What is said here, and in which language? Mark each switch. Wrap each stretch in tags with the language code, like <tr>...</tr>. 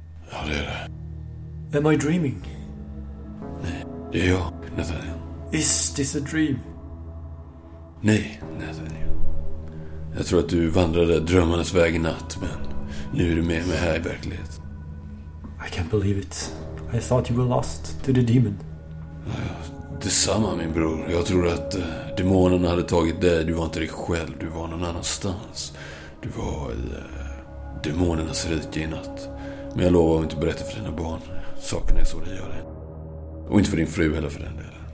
<sv>Ja, det är det.</sv> <en>Am I dreaming?</en> <sv>Nej, det är jag, Nathaniel.</sv> <en>Is this a dream?</en> <sv>Nej, Nathaniel. Jag tror att du vandrade drömmarnas väg i natt, men nu är du med mig här i verklighet.</sv> <en>I can't believe it. I thought you were lost to the demon.</en> <sv>Ja, detsamma, min bror. Jag tror att demonerna hade tagit dig. Du var inte dig själv, du var någon annanstans. Du var i demonernas rike i natt. Men jag lovar att inte berätta för dina barn. Sakerna är så det gör det. Och inte för din fru heller för den delen.</sv>